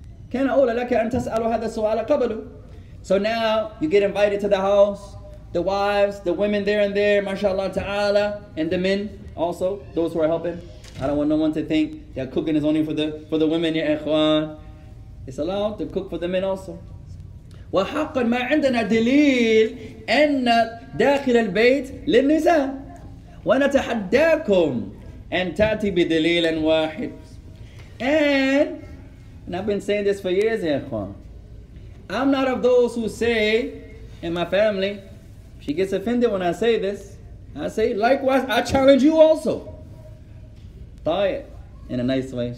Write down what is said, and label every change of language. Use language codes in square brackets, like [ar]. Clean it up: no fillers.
[ar] كان أولى لك أن تسأل هذا السؤال قبله. [en] So now you get invited to the house, the wives, the women there and there, mashallah ta'ala, and the men also, those who are helping. I don't want no one to think that cooking is only for the women, [ar] يا إخوان. [en] It's allowed to cook for the men also. [ar] وحقا ما عندنا دليل أن داخل البيت للنساء. ونتحداكم أن تأتي بدليل واحد. [en] And And I've been saying this for years, Ikhwan. I'm not of those who say, in my family, she gets offended when I say this. I say, likewise, I challenge you also. Thaw it in a nice way.